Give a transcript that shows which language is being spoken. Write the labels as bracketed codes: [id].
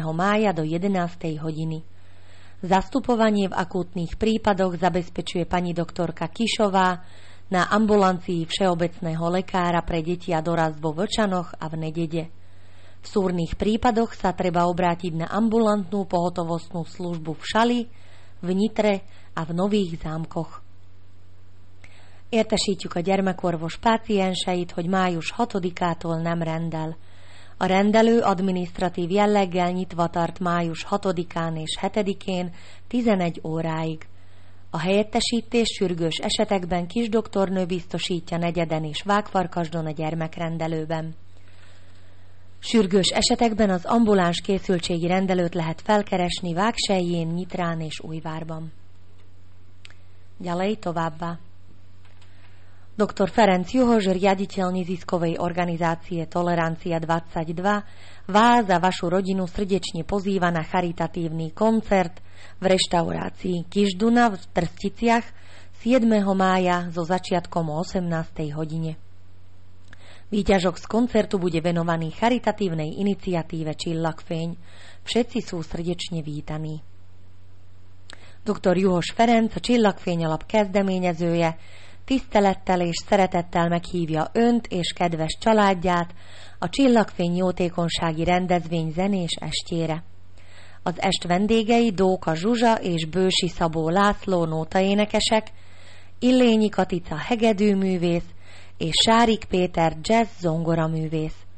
[sk] mája do 11. hodiny. Zastupovanie v akútnych prípadoch zabezpečuje pani doktorka Kišová na ambulancii všeobecného lekára pre deti a dorast vo Vlčanoch a v Nedede. V súrnych prípadoch sa treba obrátiť na ambulantnú pohotovostnú službu v Šali, v Nitre a v Nových Zámkoch. [hu] Értesítjük a gyermekorvos pácienseit, hogy május 6-ától nem rendel. A rendelő adminisztratív jelleggel nyitva tart május 6-án és 7-én 11 óráig. A helyettesítés sürgős esetekben kisdoktornő biztosítja Negyeden és Vágfarkasdon a gyermekrendelőben. Sürgős esetekben az ambuláns készültségi rendelőt lehet felkeresni Vágsejjén, Nyitrán és Újvárban. [sk] Ďalej [hu] továbbá. [sk] Dr. Ferenc Juhoš, riaditeľ neziskovej organizácie Tolerancia 22, vás a vašu rodinu srdečne pozýva na charitatívny koncert v reštaurácii Kižduna v Trsticiach 7. mája so začiatkom o 18. hodine. Výťažok z koncertu bude venovaný charitatívnej iniciatíve Csillagfény. Všetci sú srdečne vítaní. Dr. [hu] Juhoš Ferenc, a Csillagfény alap kezdeményezője, tisztelettel és szeretettel meghívja önt és kedves családját a Csillagfény jótékonysági rendezvény zenés estjére. Az est vendégei Dóka Zsuzsa és Bősi Szabó László nótaénekesek, Illényi Katica hegedűművész, és Sárik Péter jazz zongora művész.